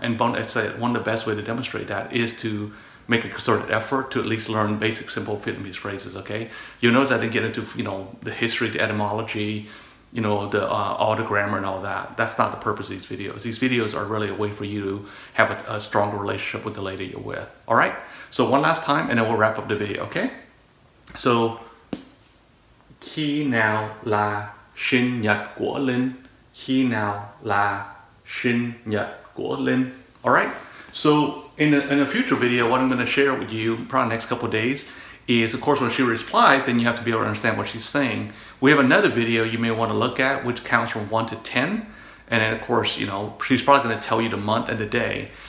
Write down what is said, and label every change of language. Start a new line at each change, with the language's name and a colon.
English: And one of the best way to demonstrate that is to make a concerted effort to at least learn basic, simple Vietnamese phrases, okay? You'll notice I didn't get into, you know, the history, the etymology, you know, the all the grammar and all that. That's not the purpose of these videos. These videos are really a way for you to have a stronger relationship with the lady you're with. All right, so one last time and then we'll wrap up the video, okay?
Vietnamese: So, khi nào là sinh nhật của Linh? Khi nào là sinh nhật của Linh?
English: All right, so in a future video, what I'm gonna share with you probably next couple of days is, of course, when she replies, then you have to be able to understand what she's saying. We have another video you may want to look at, which counts from 1 to 10. And then, of course, you know, she's probably going to tell you the month and the day.